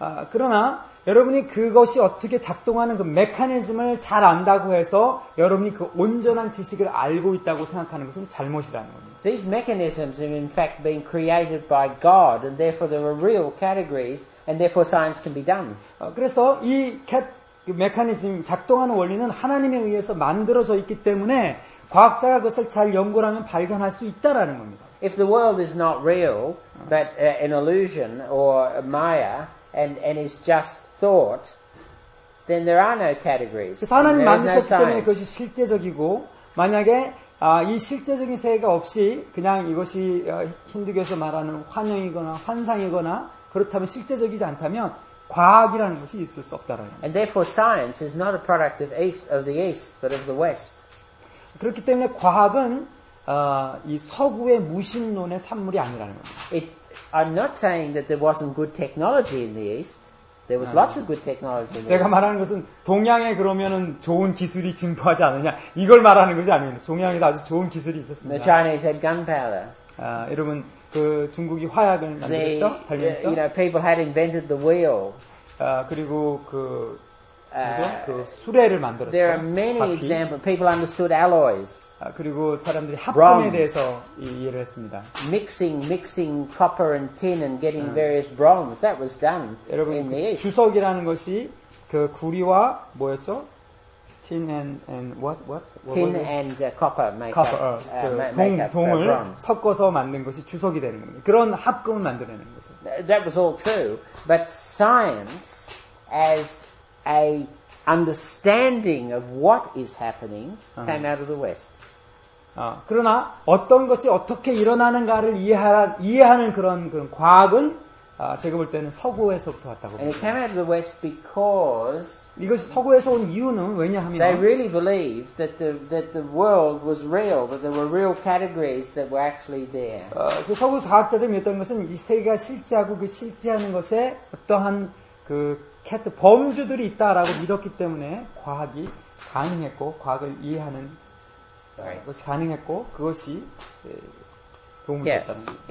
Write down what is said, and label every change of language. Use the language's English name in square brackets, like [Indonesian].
[Korean] 그러나 여러분이 그것이 어떻게 작동하는 그 메커니즘을 잘 안다고 해서 여러분이 그 온전한 지식을 알고 있다고 생각하는 것은 잘못이라는 겁니다. [English] These mechanisms have in fact been created by God, and therefore there are real categories, and therefore science can be done. [Korean] 그래서 이 메커니즘 작동하는 원리는 하나님에 의해서 만들어져 있기 때문에 과학자가 그것을 잘 연구를 하면 발견할 수 있다라는 겁니다. [English] If the world is not real, but an illusion or Maya, and is just thought, then there are no categories. [Korean] 그래서 하나님 만드셨기 때문에 그것이 실제적이고 만약에 이 실제적인 세계가 없이 그냥 이것이 힌두교에서 말하는 환영이거나 환상이거나 그렇다면 실제적이지 않다면 과학이라는 것이 있을 수 없다라는 겁니다. [English] And therefore science is not a product of the East, but of the West. [Korean] 그렇기 때문에 과학은 이 서구의 무신론의 산물이 아니라는 겁니다. [English] I'm not saying that there wasn't good technology in the East. There was lots of good technology. [Korean] 제가 말하는 것은 동양에 그러면은 좋은 기술이 진보하지 않느냐 이걸 말하는 것이 아니에요. 동양에도 아주 좋은 기술이 있었습니다. [English] The Chinese had gunpowder. [Korean] 여러분 그 중국이 화약을 만들었죠, 발명했죠. [English] You know, people had invented the wheel. [Korean] 그리고 그 그 수레를 만들었죠. [English] There are many examples. People understood alloys. [Korean] 아, 그리고 사람들이 합금에 대해서 이해를 했습니다. [English] Mixing copper and tin and getting various bronze. That was done. [Korean] 여러분, [English] in the East. [Korean] 주석이라는 것이 그 구리와 뭐였죠? [English] Tin and what? Tin and copper make copper. 어, [Korean] 그 동을 섞어서 만든 것이 주석이 되는 겁니다. 그런 합금을 만들어내는 거죠. [English] That was all true, but science as a understanding of what is happening came out of the West. [Korean] 어, 그러나 어떤 것이 어떻게 일어나는가를 이해하는 그런 과학은 아, 제가 볼 때는 서구에서부터 왔다고 [English] And it came out of the West because [Korean] 이것이 서구에서 온 이유는 왜냐하면 [English] They really believed that the world was real, that there were real categories that were actually there. [Korean] 그 서구 과학자들이 믿었던 것은 이 세계가 실제하고 그 실제하는 것에 어떠한 그 범주들이 있다라고 믿었기 때문에 과학이 가능했고 과학을 이해하는 것이 가능했고 그것이 도움을 줬다는 거죠.